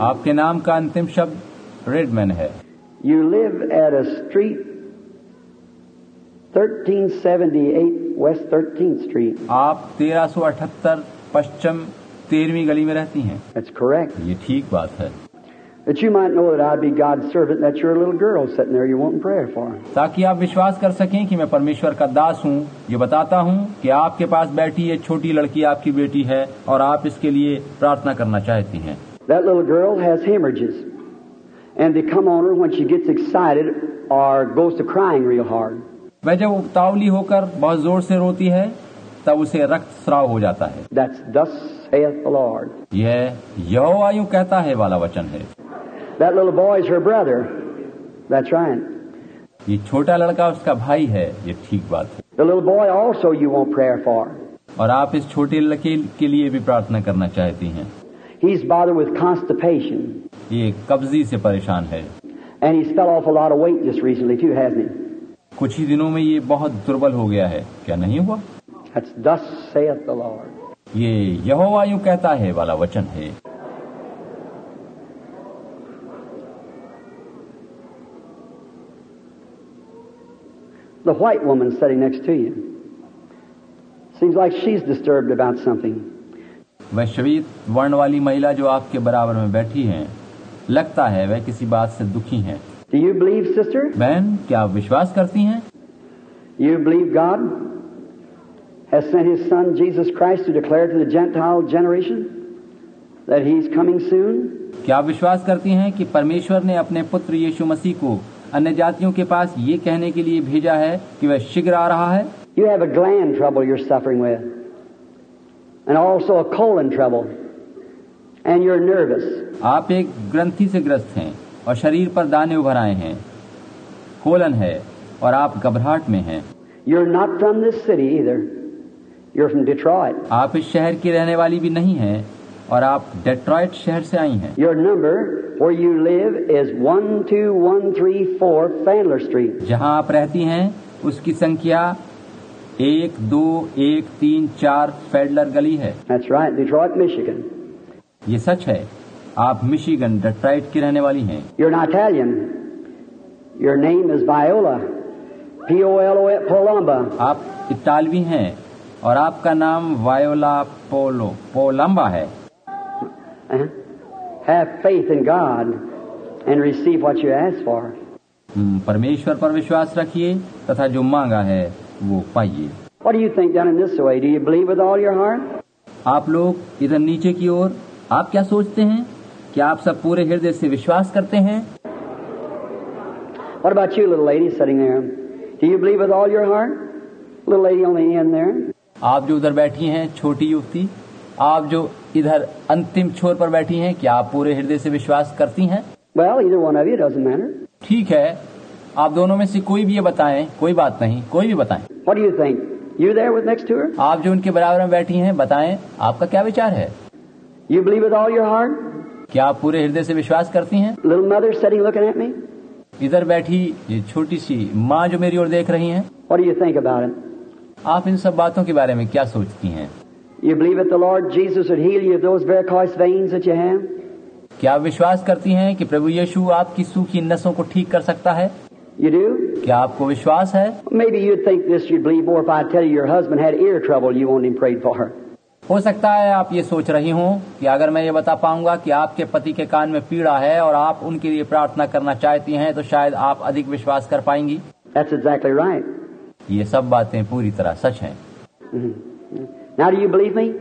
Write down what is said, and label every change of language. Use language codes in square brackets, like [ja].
[hi] आपके नाम का अंतिम शब्द रेडमैन है. [en] You live at a street 1378 West 13th Street. [hi] आप 1378 पश्चिम 13वीं गली में रहती हैं. [en] That's correct. [hi] ये ठीक बात है. [en] That you might know that I'd be God's servant, and that you're a little girl sitting there you want in prayer for. [hi] ताकि आप विश्वास कर सकें कि मैं परमेश्वर का दास हूँ, ये बताता हूँ कि आपके पास बैठी ये छोटी लड़की आपकी बेटी है और आप इसके लिए प्रार्थना करना चाहती हैं. [en] That little girl has hemorrhages, and they come on her when she gets excited or goes to crying real hard. [hi] वह जब उतावली होकर बहुत जोर से रोती है, तब उसे रक्त स्राव हो जाता है. [en] That's thus saith the Lord. [hi] यह यहोवा यूं कहता है वाला वचन है. [en] That little boy is her brother. That's right. [hi] ये छोटा लड़का उसका भाई है, ये ठीक बात है. [en] The little boy also you want prayer for. [hi] और आप इस छोटे लड़के के लिए भी प्रार्थना करना चाहती हैं. [en] He's bothered with constipation. [hi] ये कब्जी से परेशान है. [en] And he's fell off a lot of weight just recently too, hasn't he? [hi] कुछ ही दिनों में ये बहुत दुर्बल हो गया है, क्या नहीं हुआ? [en] That's thus saith the Lord. [hi] ये यहोवा यूं कहता है वाला वचन है. [en] The white woman sitting next to you seems like she's disturbed about something. [hi] वह श्वेत वर्ण वाली महिला जो आपके बराबर में बैठी है, लगता है वह किसी बात से दुखी है. [en] Do you believe, sister? [hi] बहन, क्या आप विश्वास करती हैं? [en] You believe God has sent his son Jesus Christ to declare to the Gentile generation that he's coming soon? [hi] क्या आप विश्वास करती हैं कि परमेश्वर ने अपने पुत्र यीशु मसीह को अन्य जातियों के पास ये कहने के लिए भेजा है कि वह शीघ्र आ रहा है? [en] You have a gland trouble you're suffering with, and also a colon trouble, and you're nervous. [hi] आप एक ग्रंथि से ग्रस्त हैं और शरीर पर दाने उभर आए हैं, कोलन है और आप घबराहट में हैं. [en] You're not from this city either. You're from Detroit. [hi] आप इस शहर की रहने वाली भी नहीं हैं और आप डेट्रॉइट शहर से आई हैं. [en] Your number where you live is 12134 Fandler Street. [hi] जहां आप रहती हैं उसकी संख्या 12134 फेडलर गली है. [en] That's right, Detroit, Michigan. [hi] ये सच है, आप मिशिगन डेट्रॉइट की रहने वाली हैं. [en] You're not Italian. Your name is Viola. P-O-L-O-A, Polamba. [hi] आप इतालवी हैं और आपका नाम वायोला पोलो पोलंबा है. [en] Have faith in God and receive what you ask for. [hi] परमेश्वर पर विश्वास रखिए तथा जो मांगा है वो पाइए. [en] What do you think down in this way? Do you believe with all your heart? [hi] आप लोग इधर नीचे की ओर, आप क्या सोचते हैं? क्या आप सब पूरे हृदय से विश्वास करते हैं? [en] What about you, little lady sitting there? Do you believe with all your heart? Little lady on the end there. [hi] आप जो उधर बैठी हैं, छोटी युवती, आप जो इधर अंतिम छोर पर बैठी हैं, क्या आप पूरे हृदय से विश्वास करती हैं? [en] Well, either one of you, doesn't matter. [hi] ठीक है, आप दोनों में से कोई भी ये बताएं, कोई बात नहीं, कोई भी बताएं. [en] What do you think? You there with next to her? [hi] आप जो उनके बराबर में बैठी हैं, बताएं आपका क्या विचार है? [en] You believe with all your heart? [hi] क्या आप पूरे हृदय से विश्वास करती हैं? [en] Little mother sitting looking at me? [hi] इधर बैठी ये छोटी सी माँ जो मेरी ओर देख रही हैं? [en] What do you think about it? [hi] आप इन सब बातों के बारे में क्या सोचती हैं? [en] You believe that the Lord Jesus would heal you of those varicose veins that you have? [hi] क्या आप विश्वास करती हैं कि प्रभु यीशु आपकी सूखी नसों को ठीक कर सकता है? [en] You do? [hi] क्या आपको विश्वास है? [en] Maybe you'd think this, you'd believe more if I tell you your husband had ear trouble, you want him prayed for. [hi] हो सकता है आप ये सोच रही हों कि अगर मैं ये बता पाऊंगा कि आपके पति के कान में पीड़ा है और आप उनके लिए प्रार्थना करना चाहती हैं, तो शायद आप अधिक विश्वास कर पाएंगी. [en] That's exactly right. [hi] ये सब बातें पूरी तरह सच हैं. [en] Now do you believe me?